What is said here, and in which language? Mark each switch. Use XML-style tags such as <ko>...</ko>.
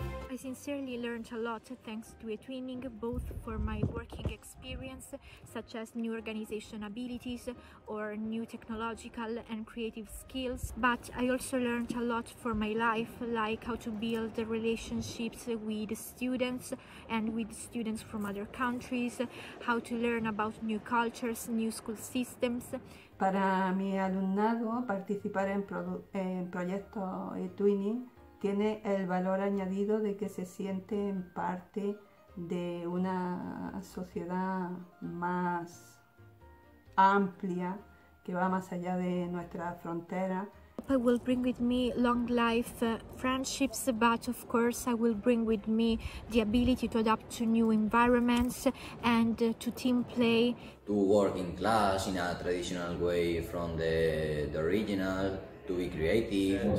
<en>I sincerely learned a lot thanks to eTwinning, both for my working experience, such as new organization abilities or new technological and creative skills, but I also learned a lot for my life, like how to build relationships with students and with students from other countries, how to learn about new cultures, new school systems.</en> <es>Para mi alumnado, participar en proyecto eTwinning tiene el valor añadido de que se siente en parte de una sociedad más amplia que va más allá de nuestra frontera.</es> <en>I will bring with me long life friendships, but of course I will bring with me the ability to adapt to new environments and to team play. To work in class in a traditional way from the original, to be creative.</en>